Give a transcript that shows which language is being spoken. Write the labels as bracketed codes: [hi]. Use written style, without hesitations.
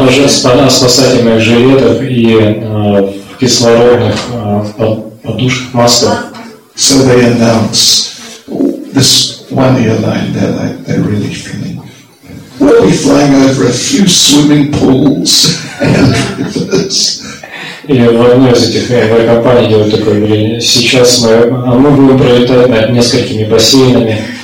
[ru] Спасательных жилетов и кислородных подушках, масках. [en] So they announce this one airline, they're like, they're really feeling. We'll be flying over a few swimming pools and rivers. [ru] Или в одной из этих авиакомпаний делают такое объявление. Сейчас мы будем пролетать над несколькими бассейнами.